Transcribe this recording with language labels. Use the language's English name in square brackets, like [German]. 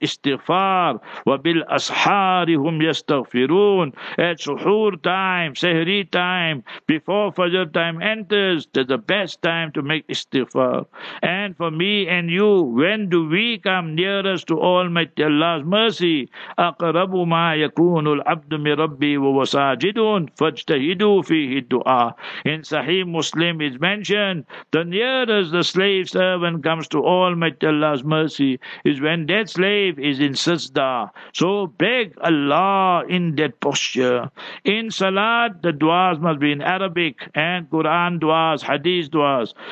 [English] Istighfar [Arabic] wa bil ashari hum yastaghfirun, [English] at suhoor time, sahri time, before fajr time enters, that's the best time to make istighfar. And for me and you, when do we come nearest to Almighty Allah's mercy? [Arabic] أقرب ما يكون العبد من ربي وهو ساجد فاجتهدوا فيه الدعاء. [English] In Sahih Muslim is mentioned, the nearest the slave servant comes to Almighty Allah's mercy is when that slave is in sajda. So beg Allah in that posture. In salat, the du'as must be in Arabic and Quran du'as, hadith du'as.